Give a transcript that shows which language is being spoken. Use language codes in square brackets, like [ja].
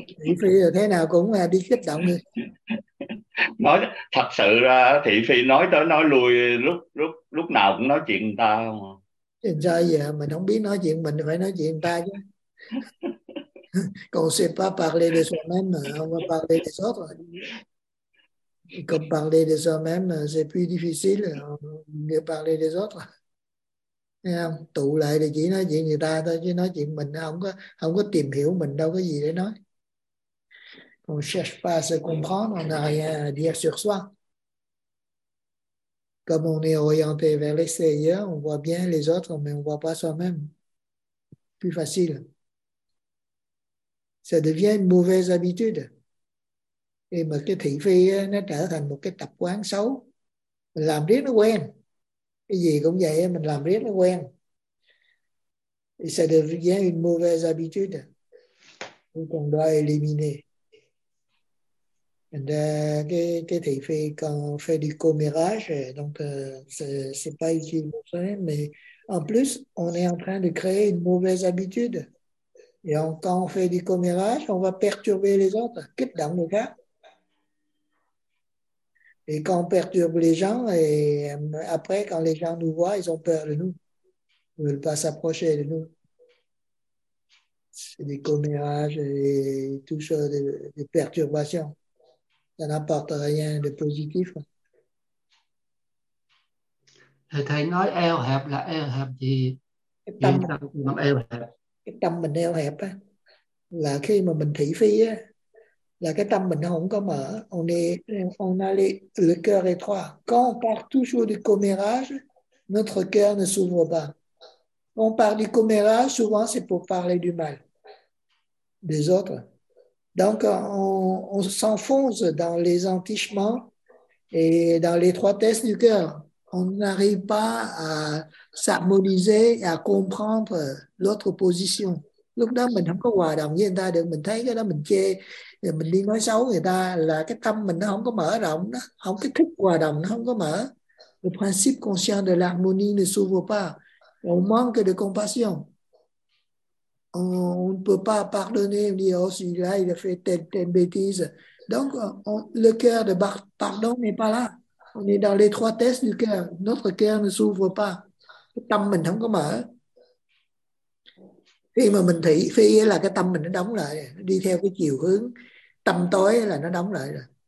[vi] thị phi là thế nào cũng đi kích động đi. Nói thật sự ra thị phi nói tới nói lui lúc nào cũng nói chuyện người ta. Sao vậy? Mình không biết nói chuyện mình phải nói chuyện người ta chứ. Còn sẽ [fr] pas parler de soi-même, on va parler des autres. Comme parler de soi-même, c'est plus difficile, mieux parler des autres. [vi] Tụ lại thì chỉ nói chuyện người ta thôi, chứ nói chuyện mình không có tìm hiểu mình đâu có gì để nói. [fr] On cherche pas à se comprendre, on n'a rien à dire sur soi. Comme on est orienté vers l'extérieur, on voit bien les autres, mais on ne voit pas soi-même. Plus facile. Ça devient une mauvaise habitude. [vi] Et mà cái thị phi nó trở thành một cái tập quán xấu. Mình làm riết nó quen. Cái gì cũng vậy, mình làm riết nó quen. [fr] Et ça devient une mauvaise habitude. Donc on doit éliminer. Et [vi] cái thị phi [fr] quand on fait du commérage, donc c'est pas utile pour ça, mais en plus, on est en train de créer une mauvaise habitude. Et quand on fait du commérage, on va perturber les autres, [vi] kích động [fr] les gens. Et quand on perturbe les gens, et après, quand les gens nous voient, ils ont peur de nous. Ils ne veulent pas s'approcher de nous. C'est du commérage et tout ça, des perturbations. Ça n'apporte rien de positif. [vi] Thầy nói eo hẹp là eo hẹp gì? Tâm eo hẹp. Cái tâm mình eo hẹp á, là khi mà mình thị phi á, là cái tâm mình không có mở. [fr] On a le cœur étroit. Quand on parle toujours du commérage, notre cœur ne s'ouvre pas. Quand on parle du commérage, souvent c'est pour parler du mal des autres. Donc on s'enfonce dans les entichements et dans l'étroitesse du cœur. On n'arrive pas à s'harmoniser et à comprendre l'autre position. [vi] Lúc đó mình không có hòa đồng với người ta được, mình thấy cái đó mình chê, mình đi nói xấu người ta, là cái tâm mình nó không có mở rộng, nó không cái thức hòa đồng nó không có mở. [fr] Le principe conscient de l'harmonie ne s'ouvre pas. On manque de compassion. On ne peut pas pardonner, on dit, oh, celui-là, il a fait telle bêtise. Donc, le cœur de pardon n'est pas là. On est dans l'étroitesse du cœur. Notre cœur ne s'ouvre pas. [vi] Cái tâm mình không có mở. Khi mà mình thị phi là cái tâm mình nó đóng lại, đi theo cái chiều hướng tâm tối là nó đóng lại rồi.